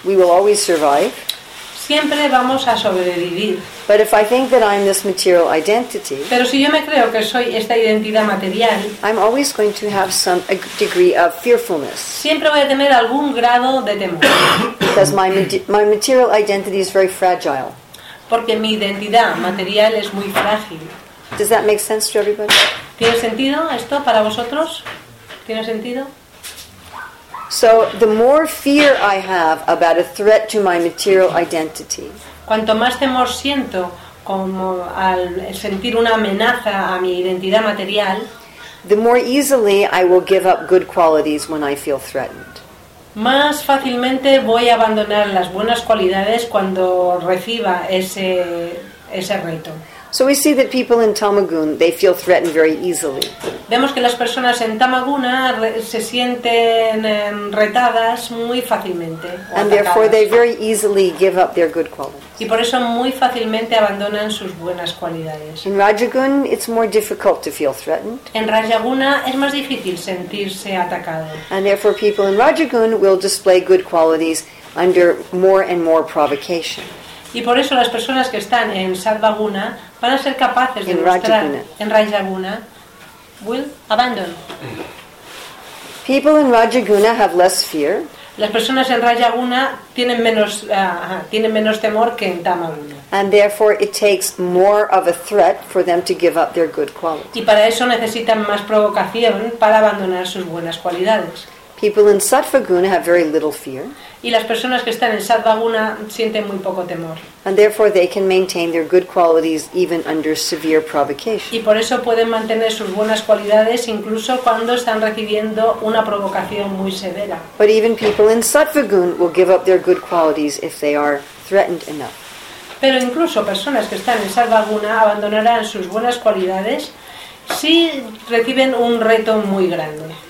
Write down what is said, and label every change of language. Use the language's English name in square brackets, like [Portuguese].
[English] We will always survive. [Spanish] siempre vamos a sobrevivir. [English] But if I think that I'm this material identity, [Spanish] pero si yo me creo que soy esta identidad material, [English] I'm always going to have some degree of fearfulness. [Spanish] Siempre voy a tener algún grado de temor. [English] Because my material identity is very fragile. [Spanish] Porque mi identidad material es muy frágil. [English] Does that make sense to everybody? [Spanish] ¿Tiene sentido esto para vosotros? ¿Tiene sentido? [English] So the more fear I have about a threat to my material identity, [Spanish] cuanto más temor siento como al sentir una amenaza a mi identidad material, [English] the more easily I will give up good qualities when I feel threatened. [Spanish] Más fácilmente voy a abandonar las buenas cualidades cuando reciba ese reto. [English] So we see that people in Tamaguna, they feel threatened very easily. [Spanish] Vemos que las personas en Tamaguna se sienten retadas muy fácilmente. [English] And therefore they very easily give up their good qualities. [Spanish] Y por eso muy fácilmente abandonan sus buenas cualidades. [English] In Rajaguna, it's more difficult to feel threatened. [Spanish] En Rajaguna es más difícil sentirse atacado. [English] And therefore people in Rajaguna will display good qualities under more and more provocation. [Spanish] Y por eso las personas que están en Sattvaguna van a ser capaces de mostrar en Rajaguna [English] will abandon. People in Rajaguna have less fear. [Spanish] Las personas en Rajaguna tienen menos temor que en Tamaguna. [English] And therefore it takes more of a threat for them to give up their good qualities. [Spanish] Y para eso necesitan más provocación para abandonar sus buenas cualidades. [English] People in Sattvaguna have very little fear. [Spanish] Y las personas que están en Sattvaguna sienten muy poco temor. [English] And therefore they can maintain their good qualities even under severe provocation. [Spanish] Y por eso pueden mantener sus buenas cualidades incluso cuando están recibiendo una provocación muy severa. [English] But even people in Sattvaguna will give up their good qualities if they are threatened enough. [Spanish] Pero incluso personas que están en Sattvaguna abandonarán sus buenas cualidades si reciben un reto muy grande.